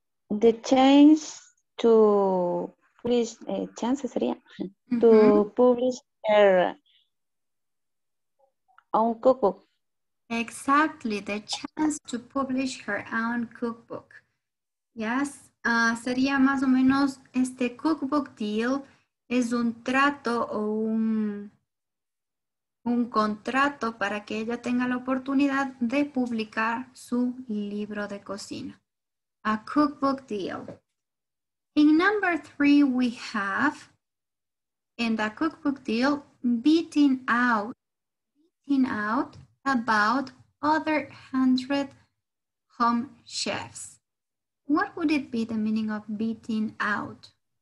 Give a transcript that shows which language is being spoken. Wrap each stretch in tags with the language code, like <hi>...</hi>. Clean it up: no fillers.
<en>The chance to publish, chance sería, to publish her own cookbook. Exactly, the chance to publish her own cookbook.</en> <es>Yes, sería más o menos este cookbook deal es un trato o un contrato para que ella tenga la oportunidad de publicar su libro de cocina.</es> <en>A cookbook deal. In number three, we have, in the cookbook deal, beating out about other 100 home chefs. What would it be the meaning of beating out?</en>